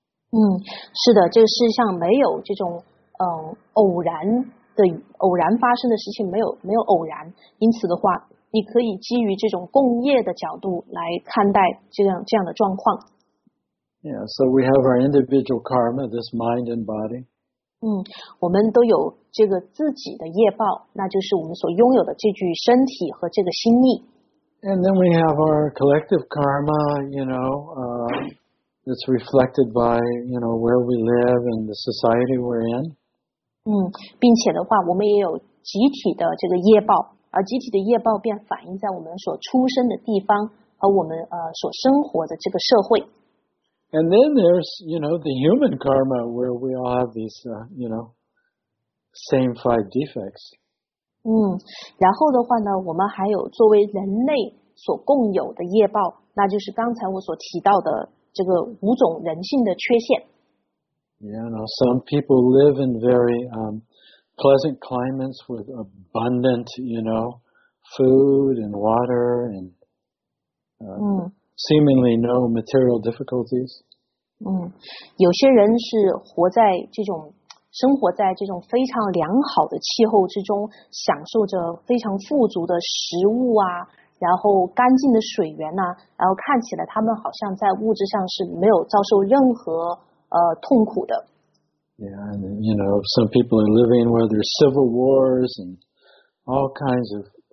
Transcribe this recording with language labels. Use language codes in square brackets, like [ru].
[zh] 嗯，是的，这个世上没有这种偶然的偶然发生的事情，没有偶然。因此的话，你可以基于这种共业的角度来看待这样的状况。 [en] Yeah, so we have our individual karma, this mind and body. [zh] 嗯，我们都有这个自己的业报，那就是我们所拥有的这具身体和这个心意。 [en] And then we have our collective karma, you know, that's reflected by, you know, where we live and the society we're in. [zh] 嗯，并且的话，我们也有集体的这个业报，而集体的业报便反映在我们所出生的地方和我们所生活的这个社会。 [en] And then there's, you know, the human karma where we all have these, you know, same five defects. [zh] 嗯，然后的话呢，我们还有作为人类所共有的业报，那就是刚才我所提到的这个五种人性的缺陷。 [en] You know, some people live in very pleasant climates with abundant, you know, food and water and. Seemingly no material difficulties. [zh] 嗯，有些人是活在这种生活在这种非常良好的气候之中，享受着非常富足的食物啊，然后干净的水源呐、啊，然后看起来他们好像在物质上是没有遭受任何痛苦的。 [en] Yeah, and, you know, some people are living where there's civil wars and all kinds of.